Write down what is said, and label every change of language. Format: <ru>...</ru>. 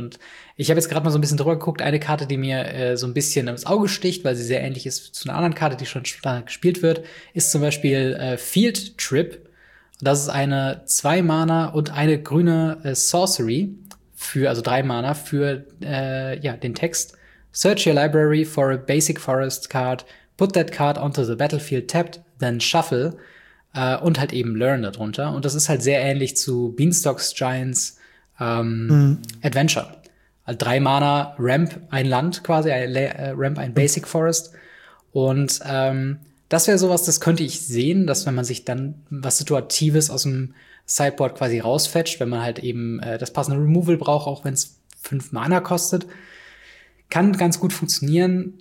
<de>Und ich habe jetzt gerade mal so ein bisschen drüber geguckt, eine Karte, die mir so ein bisschen ins Auge sticht, weil sie sehr ähnlich ist zu einer anderen Karte, die schon Standard gespielt wird, ist zum Beispiel Field Trip. Das ist eine 2 Mana und eine grüne Sorcery, also 3 Mana für den Text.</de> <en>Search your library for a basic forest card, put that card onto the battlefield tapped, then shuffle.</en> <de>Und halt eben Learn darunter. Und das ist halt sehr ähnlich zu Beanstalks Giants Adventure. Also 3 Mana, Ramp ein Land quasi, Ramp ein Basic Forest. Und das wäre sowas, das könnte ich sehen, dass wenn man sich dann was Situatives aus dem Sideboard quasi rausfetcht, wenn man halt eben das passende Removal braucht, auch wenn es 5 Mana kostet, kann ganz gut funktionieren.</de>